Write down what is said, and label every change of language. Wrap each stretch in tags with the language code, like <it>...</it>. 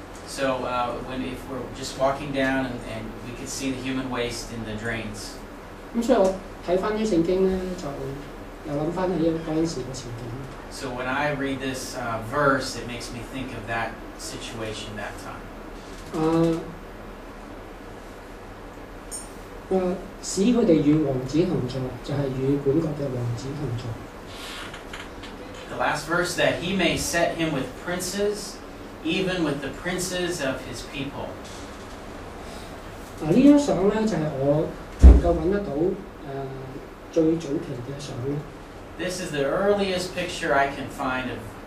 <en>So if we're just walking down and we could see the human waste in the drains.</en> <yue>咁所以我睇翻啲聖經咧，就又諗翻起嗰陣時嘅情景。</yue> <en>So when I read this verse, it makes me think of that situation that time.</en> <yue>使他們與王子同坐，就是與管轄的王子同坐。</yue> <en>The last verse, that he may set him with princes, even with the princes of his people.</en> <yue>這張相呢，就是我能夠找得到最早期的相。</yue> <en>This is the earliest picture I can find of.</en>